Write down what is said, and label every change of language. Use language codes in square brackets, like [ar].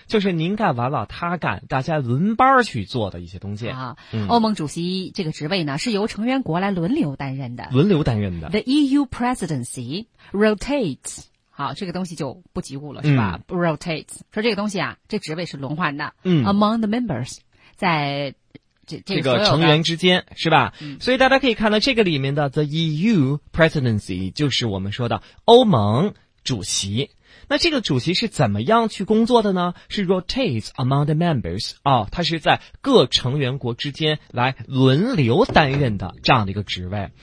[zh] 就是您干完了，他干，大家轮班去做的一些东西啊、嗯。欧盟主席这个职位呢，是由成员国来轮流担任的，轮流担任的。 [en] The EU presidency rotates。 [zh] 好，这个东西就不及物了，是吧、嗯、？Rotates 说这个东西啊，这职位是轮换的。嗯 [en] ，Among the members， [zh] 在这个成员之间，是吧、嗯？所以大家可以看到，这个里面的 [en] the EU presidency [zh] 就是我们说的欧盟主席。那这个主席是怎么样去工作的呢？是 [en] rotates among the members [zh] 啊、哦，他是在各成员国之间来轮流担任的这样的一个职位。